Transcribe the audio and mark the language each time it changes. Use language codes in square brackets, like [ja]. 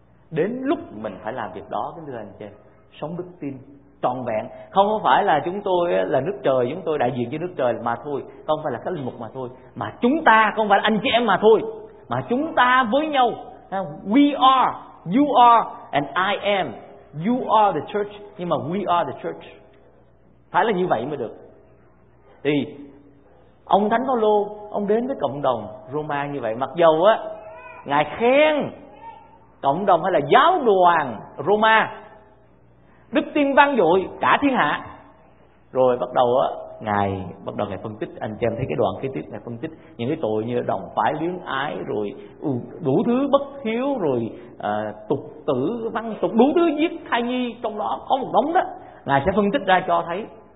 [vi] Đến lúc mình phải làm việc đó, kính thưa anh chị em, sống đức tin trọn vẹn. Không phải là chúng tôi là nước trời, chúng tôi đại diện cho nước trời mà thôi, không phải là các linh mục mà thôi, mà chúng ta, không phải là anh chị em mà thôi, mà chúng ta với nhau. [en] We are, you are and I am. You are the church, [vi] nhưng mà [en] we are the church. [vi] Phải là như vậy mới được. Thì ông Thánh Phaolô, ông đến với cộng đồng Roma như vậy. Mặc dầu á, ngài khen cộng đồng hay là giáo đoàn Roma đức tin vang dội cả thiên hạ. Rồi bắt đầu á, ngài phân tích, anh chị em thấy cái đoạn kế tiếp, ngài phân tích những cái tội như đồng phải luyến ái, rồi đủ thứ bất hiếu, rồi tục tử văn tục, đủ thứ giết thai nhi, trong đó có một đống đó, ngài sẽ phân tích ra cho thấy.